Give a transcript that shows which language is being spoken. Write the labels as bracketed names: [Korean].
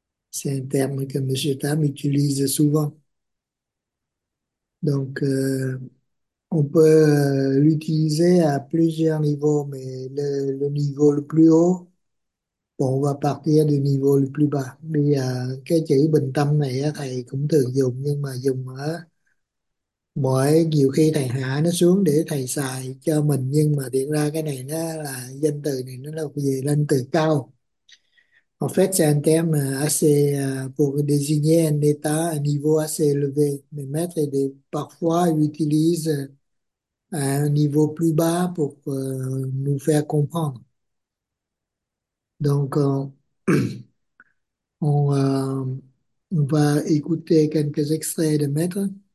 [French] C'est un terme que M. Tam utilise souvent. Donc, on peut l'utiliser à plusieurs niveaux, mais le niveau le plus haut, bon, on va partir du niveau le plus bas. [Vietnamese] Mais cái chữ bình tâm này thầy cũng thường dùng, nhưng mà dùng ở mọi nhiều khi thầy hạ nó xuống để thầy xài cho mình, nhưng mà thiệt ra cái này nó là danh từ này nó là về lên từ cao. [French] En fait, c'est un terme assez pour désigner un état, un niveau assez élevé. Mais maître, parfois, il utilise un niveau plus bas pour nous faire comprendre. Donc, on va écouter quelques extraits de maître.